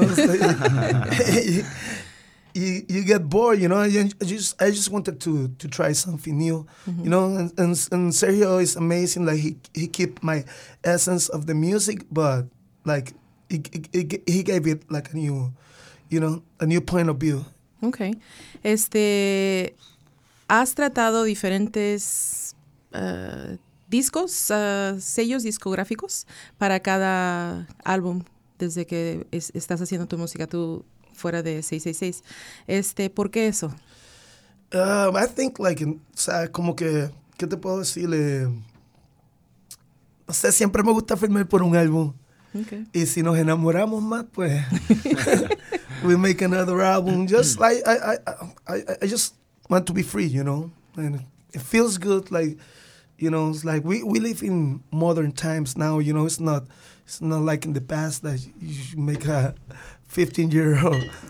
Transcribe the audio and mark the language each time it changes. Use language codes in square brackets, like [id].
[en] Like, you get bored, you know? I just wanted to try something new, mm-hmm. you know? And Sergio is amazing. Like, he keep my essence of the music, but, like, he gave it, like, a new, you know, a new point of view. Okay. [es] ¿Has tratado diferentes discos, sellos discográficos para cada álbum desde que estás haciendo tu música tú fuera de 666? ¿Por qué eso? [en] I think, like, [es] o sea, como que, ¿qué te puedo decir? O sea, siempre me gusta firmar por un álbum. Okay. Y si nos enamoramos más, pues, [en] we make another album. Just like, I just want to be free, you know? And it feels good, like, you know, it's like we live in modern times now. You know, it's not like in the past that you make a 15-year-old